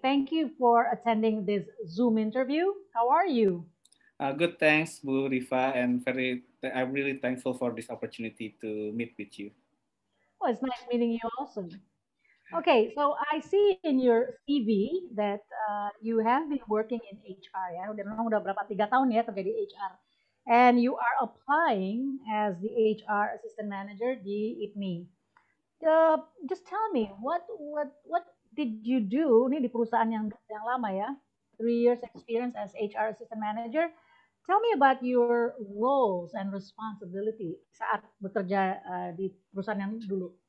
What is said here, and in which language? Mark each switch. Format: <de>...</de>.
<en>Thank you for attending this Zoom interview. How are you? Good, thanks, Bu Rifa, and I'm really thankful for this opportunity to meet with you. Oh, it's nice meeting you also. Okay, so I see in your CV that you have been working in HR, ya.</en> <id>Udah berapa 3 tahun ya terjadi HR.</id> <en>And you are applying as the HR assistant manager</en> <id>di IPMI.</id> <en>Just tell me, what did you do,</en> <id>ini di perusahaan yang lama ya,</id> <en>3 years experience as HR assistant manager. Tell me about your roles and responsibility</en> <id>saat bekerja di perusahaan yang dulu.</id>